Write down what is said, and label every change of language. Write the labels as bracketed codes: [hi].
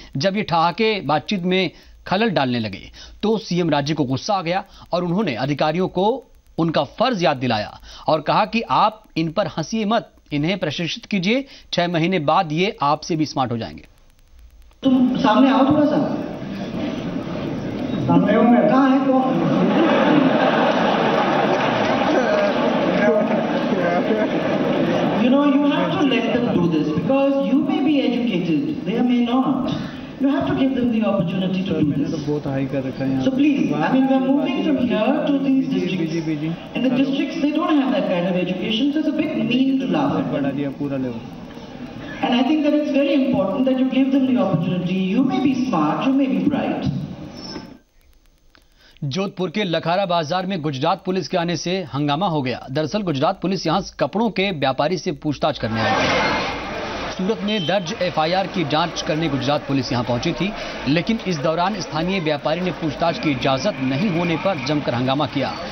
[hi] जब ये ठहाके बातचीत में खलल डालने लगे तो सीएम राजे को गुस्सा आ गया और उन्होंने अधिकारियों को उनका फर्ज याद दिलाया और कहा कि आप इन पर हंसिए मत, इन्हें प्रशिक्षित कीजिए, 6 महीने बाद ये आपसे भी स्मार्ट हो जाएंगे। तुम सामने आओ थोड़ा सा, सामने कहाँ है तो? [en] You know, you have to let them do this because you may be educated, they may not. You have to give them the opportunity to do this. So please, I mean, we are moving from here to these districts. In the districts, they don't have that kind of education, so it's a bit mean to laugh at them. And I think that it's very important that you give them the opportunity. You may be smart, you may be bright. [hi] Jodhpur के लखारा बाजार में Gujarat police के आने से हंगामा हो गया। दरअसल गुजरात पुलिस यहां कपड़ों के व्यापारी से पूछताछ करने आई थी। सूरत में दर्ज एफआईआर की जांच करने गुजरात पुलिस यहां पहुंची थी, लेकिन इस दौरान स्थानीय व्यापारी ने पूछताछ की इजाजत नहीं होने पर जमकर हंगामा किया।